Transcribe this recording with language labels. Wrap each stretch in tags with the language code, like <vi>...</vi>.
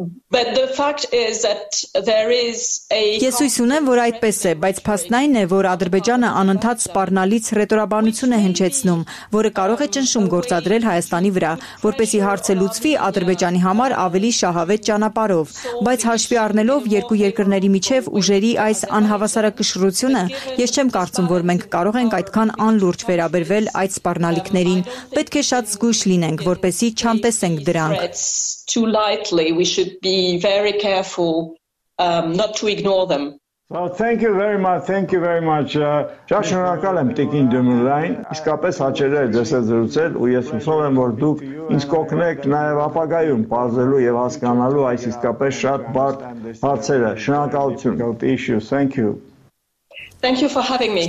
<en>But the fact is that there is a</en> <hy>Ես հույս ունեմ, որ այդպես է, բայց փաստն այն է, որ Ադրբեջանը անընդհատ սպառնալից ռետորաբանություն է հնչեցնում, որը կարող է ճնշում գործադրել Հայաստանի վրա, որպեսզի հարցը լուծվի Ադրբեջանի համար ավելի շահավետ ճանապարհով, բայց հաշվի առնելով երկու երկրների միջև ուժերի այս անհավասարակշռությունը, ես չեմ կարծում, որ մենք կարող ենք այդքան անլուրջ վերաբերվել այդ սպառնալիքներին, պետք է շատ զգույշ լինենք, որպեսզի չանտեսենք դրանք.</hy> <en>Too lightly, we should be very careful not to ignore them. Well, thank you very much. Thank you very much.</en> <hy>Շնորհակալ եմ Տիկին Դեմուլային, իսկապես հաճելի է դասազրուցել, ու ես հուսով եմ, որ դուք ինձ կօգնեք նաև ապագայում բարձելու եւ հասկանալու այս իսկապես շատ բարդ հարցերը. Շնորհակալություն.</hy> <en>Thank you. Thank you for having me.</en>